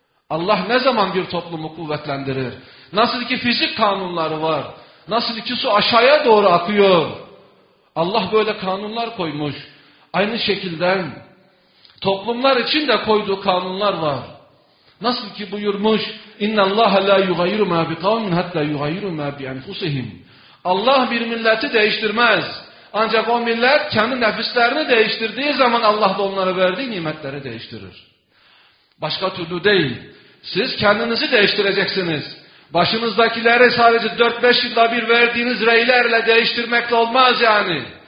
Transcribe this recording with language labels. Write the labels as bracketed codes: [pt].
[tr] Allah ne zaman bir toplumu kuvvetlendirir? Nasıl ki fizik kanunları var, nasıl ki su aşağıya doğru akıyor. Allah böyle kanunlar koymuş. Aynı şekilde toplumlar için de koyduğu kanunlar var. [ar] Nasıl ki buyurmuş, اِنَّ اللّٰهَ لَا يُغَيِّرُ مَا بِقَوْمٍ حَتَّى يُغَيِّرُ مَا بِاَنْفُسِهِمْ [tr] Allah bir milleti değiştirmez. Ancak o millet kendi nefislerini değiştirdiği zaman Allah da onlara verdiği nimetleri değiştirir. Başka türlü değil. Siz kendinizi değiştireceksiniz. Başınızdakileri sadece 4-5 yılda bir verdiğiniz reylerle değiştirmekle olmaz yani.